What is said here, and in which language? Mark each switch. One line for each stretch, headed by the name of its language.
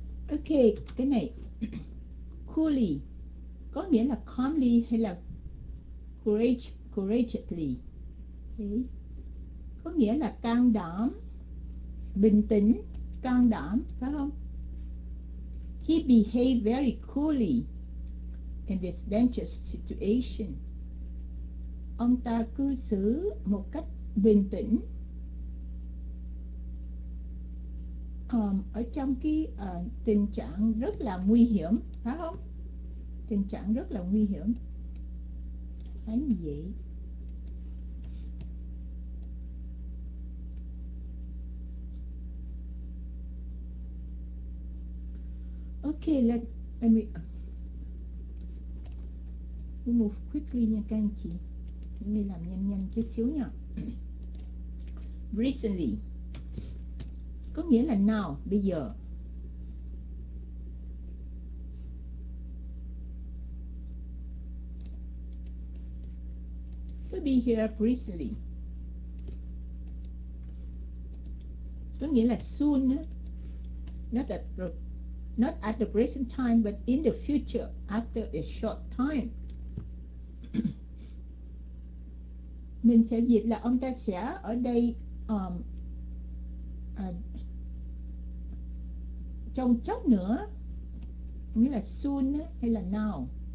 Vietnamese: Ok, cái này coolly có nghĩa là calmly hay là courageously. Okay. Có nghĩa là can đảm, bình tĩnh, can đảm, phải không?
English: He behaved very coolly in this dangerous situation.
Vietnamese: Ông ta cư xử một cách bình tĩnh ở trong cái tình trạng rất là nguy hiểm, phải không? Tình trạng rất là nguy hiểm. Thấy như vậy.
English: Ok, let me move quickly
Vietnamese: nha các anh chị. Để mình làm nhanh nhanh chút xíu nha. Recently có nghĩa là now, bây giờ.
English: To be here recently
Vietnamese: có nghĩa là
English: soon, not at the present time, but in the future, after a short time.
Vietnamese: Mình sẽ dịch là ông ta sẽ ở đây trong chốc nữa, nghĩa là soon hay là now.